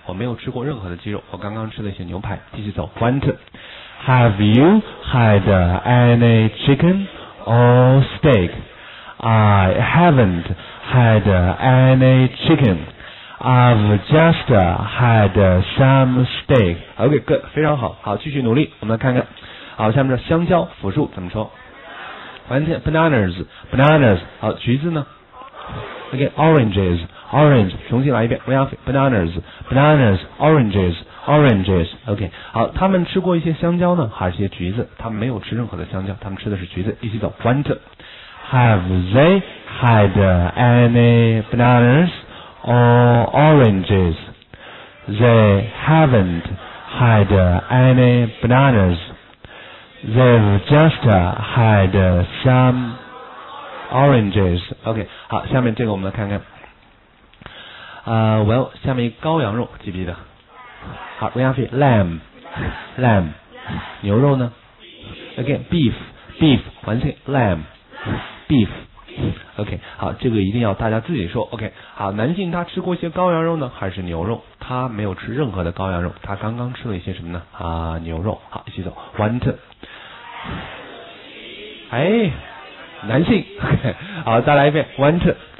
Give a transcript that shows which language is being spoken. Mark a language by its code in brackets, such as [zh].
[zh] 我没有吃过任何的鸡肉，我刚刚吃了一些牛排。继续走 [en] One, two. Have you had any chicken or steak? I haven't had any chickenI've just had some steak. OK, good, [zh] 非常好。好，继续努力，我们来看看。好，下面是香蕉，复数怎么说？完全 [en] bananas. [zh] 好，橘子呢 ？ [en] OK, oranges, orange. [zh] 重新来一遍 ， [en] bananas, oranges. [zh] OK, 好，他们吃过一些香蕉呢，还是一些橘子？他们没有吃任何的香蕉，他们吃的是橘子。一起走 ， [en] one, two. Have they had any bananas? Oranges. They haven't had any bananas. They've just had some oranges. [zh] OK, 好，下面这个我们来看看。 [en] Well, [zh] 下面羔羊肉记不记得？ [en] 好 ，we have lamb, [zh] 牛肉呢 [en] ？Again, beef, [zh] 完全 [en] lamb, beef. [zh] OK, 好，这个一定要大家自己说。OK, 好，男性他吃过一些羔羊肉呢，还是牛肉？他没有吃任何的羔羊肉，他刚刚吃了一些什么呢？啊，牛肉。好，一起走 ， [en] one two。 [zh] 哎，男性 ，OK, 好，再来一遍 ， [en] one two。